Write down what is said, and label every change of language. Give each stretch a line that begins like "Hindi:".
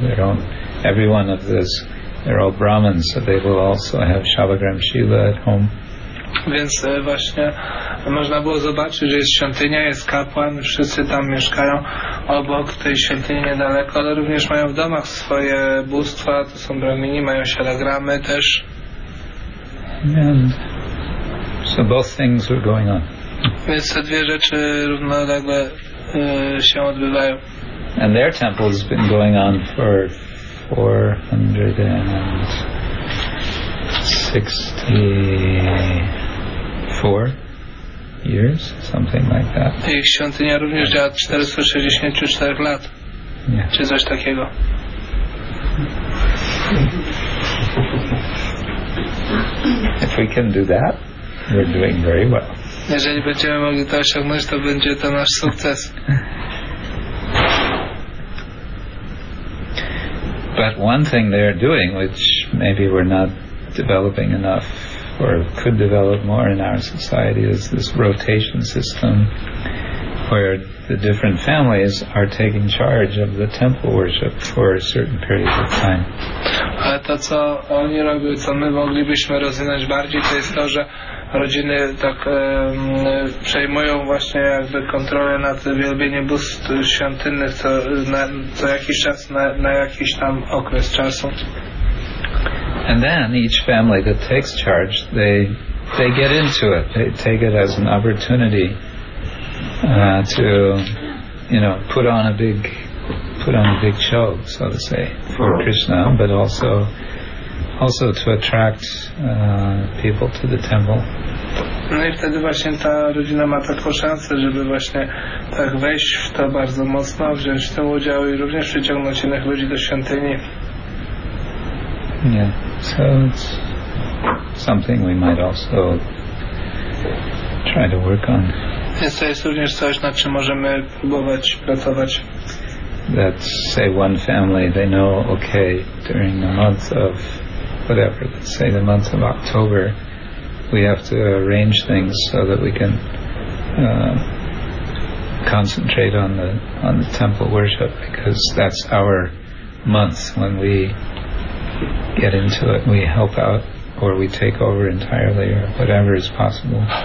English: Their own, every one of this, they're all Brahmins, so they will also have Shavagram Shiva at home.
Polish: Więc właśnie można było zobaczyć, że jest świątynia, jest kapłan, wszyscy tam mieszkają obok tej świątyni niedaleko, ale również mają w domach swoje bóstwa, to są bramini, mają shalagramy też.
English: And so both things were going on.
Polish: Więc te dwie rzeczy równolegle się odbywają.
English: And their temple has been going on for 464 years, something like that.
Polish: Ich świątynia również działa 464 lat.
English: Yeah.
Polish: Czy coś takiego.
English: If we can do that, we're doing very well.
Polish: Jeżeli będziemy mogli to osiągnąć, to będzie to nasz sukces.
English: But one thing they're doing, which maybe we're not developing enough or could develop more in our society, is this rotation system where the different families are taking charge of the temple worship for a certain period of time.
Polish: A to, co oni robią, co my moglibyśmy rozwinąć bardziej, to jest to, że rodziny tak przejmują właśnie jakby kontrolę nad wielbieniem bóstw świątynnych co jakiś czas, na jakiś tam okres czasu.
English: And then each family that takes charge, they get into it. They take it as an opportunity to, you know, put on a big show, so to say, for Krishna, but also to attract people to the temple.
Polish: No i wtedy właśnie ta rodzina ma taką szansę, żeby właśnie tak wejść w to bardzo mocno, wziąć w tym udział i również przyciągnąć innych ludzi do świątyni.
English: Yeah, so it's something we might also try to work on.
Polish: To jest również coś, nad czym możemy próbować pracować.
English: Let's say one family, they know, okay, during the month of whatever, let's say the month of October, we have to arrange things so that we can concentrate on the temple worship, because that's our month when we get into it, we help out, or we take over entirely, or whatever is possible.